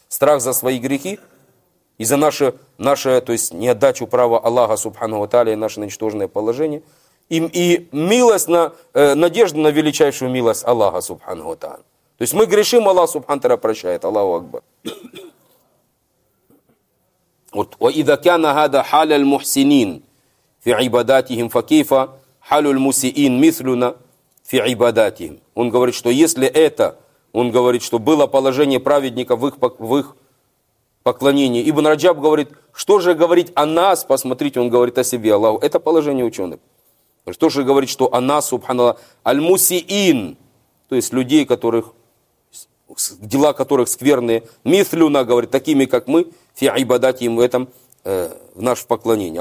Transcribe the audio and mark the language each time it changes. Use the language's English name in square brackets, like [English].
[Russian] Страх за свои грехи и за наше то есть неотдачу права Аллаха субхану ва тааля и наше ничтожное положение. и милость на надежду на величайшую милость Аллаха Субханаху Тааля. То есть мы грешим, Аллах Субхану Тааля прощает. Аллаху Акбар. [Arabic] Вот وإذا كان هذا حال المحسنين في عباداتهم فكيف حال المسيئين مثلنا في عباداتهم. [Russian] Он говорит, что если это, он говорит, что было положение праведников в их поклонении. Ибн Раджаб говорит, что же говорить о нас, посмотрите, он говорит о себе, Аллаху. Это положение ученых. Что же говорит, что о нас, субханаллах, аль-муси'ин, то есть людей, которых, дела которых скверные, мифлюна, говорит, такими, как мы, фи-ибадати им в этом, в наше поклонение.